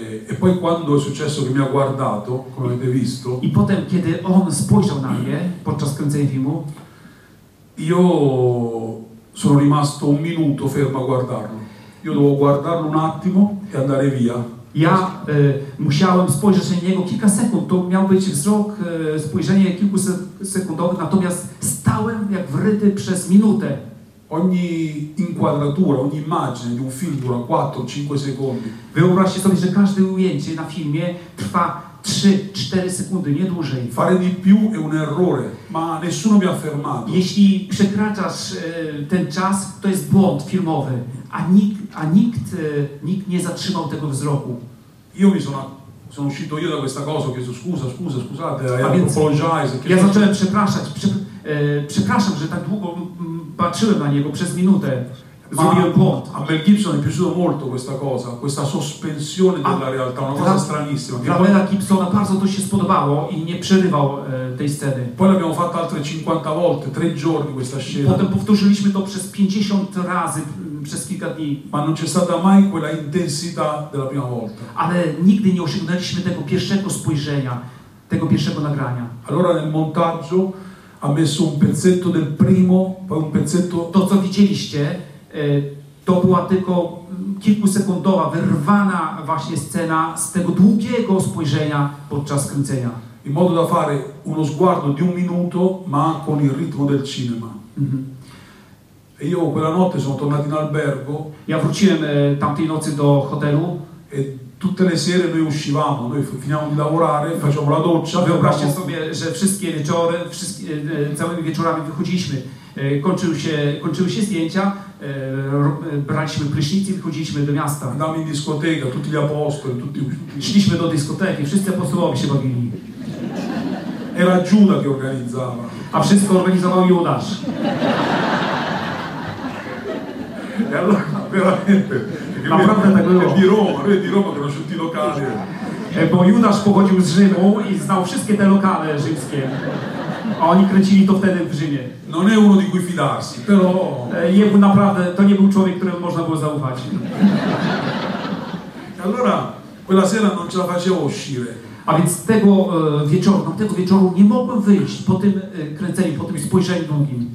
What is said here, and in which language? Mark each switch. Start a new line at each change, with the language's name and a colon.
Italian: E poi quando è successo che mi ha guardato, come avete visto,
Polish: i potem, kiedy On spojrzał na mnie podczas kręcenia filmu,
Italian: io sono rimasto un minuto fermo a guardarlo. Io dovevo guardarlo un attimo e andare via.
Polish: Ja musiałem spojrzeć na niego kilka sekund, to miał być wzrok, spojrzenie kilkusekundowe, natomiast stałem jak wryty przez minutę.
Italian: Ogni inquadratura, ogni immagine di un film dura 4-5 secondi.
Polish: Wyobraźcie sobie, że każde ujęcie na filmie trwa 3-4 sekundy, nie dłużej.
Italian: Fare di più è un errore, ma nessuno mi ha fermato.
Polish: Jeśli przekraczasz ten czas, to jest błąd filmowy. A nikt nie zatrzymał tego wzroku.
Italian: Io mi sono uscito io da questa cosa, ho chiesto scusate, apologize.
Polish: Ja zacząłem przepraszać, przepraszam, że tak długo patrzyłem na niego przez minutę. Zrobiłem błąd.
Italian: A Mel Gibson mi piaciuto molto questa cosa, questa sospensione della realtà, una cosa stranissima.
Polish: Dla Mela Gibsona bardzo to się spodobało i nie przerywał tej sceny.
Italian: Poi l'abbiamo fatto altre 50 volte, 3 giorni questa scena.
Polish: Potem powtórzyliśmy to przez 50 razy. Przez kilka dni.
Italian: Ma non c'è stata mai quella intensità della prima volta.
Polish: Ale nigdy nie osiągnęliśmy tego pierwszego spojrzenia, tego pierwszego nagrania.
Italian: Allora nel montaggio ha messo un pezzetto del primo, poi un pezzetto.
Polish: To co widzieliście, to była tylko kilkusekundowa, wyrwana właśnie scena z tego długiego spojrzenia podczas kręcenia.
Italian: In modo da fare uno sguardo di un minuto, ma con il ritmo del cinema. Mm-hmm. E io quella notte sono tornato in albergo.
Polish: Ja wróciłem tamtej nocy do hotelu.
Italian: E tutte le sere noi uscivamo, noi finiamo di lavorare, facciamo la doccia.
Polish: Wyobraźcie sobie, że wszystkie wieczory, całymi wieczorami wychodziliśmy. Kończyły się zdjęcia, braliśmy prysznic i wychodziliśmy do miasta.
Italian: Andavamo in discoteca, tutti gli apostoli, tutti.
Polish: Szliśmy do dyskoteki, wszyscy apostołowie się bawili.
Italian: Era Giuda che organizzava.
Polish: A wszystko organizował Judasz.
Italian: E allora, veramente, ma proprio di Roma, lui è di Roma, conosciuti i locali.
Polish: E bo Judasz pochodził z Rzymu i znał wszystkie te lokale rzymskie. A oni kręcili to wtedy w Rzymie.
Italian: Non è uno di cui fidarsi, però.
Polish: Naprawdę, to nie był człowiek, któremu można było zaufać.
Italian: E allora, quella sera non ce la facevo uscire.
Polish: A więc tego wieczoru nie mogłem wyjść po tym kręceniu, po tym spojrzeniu długim.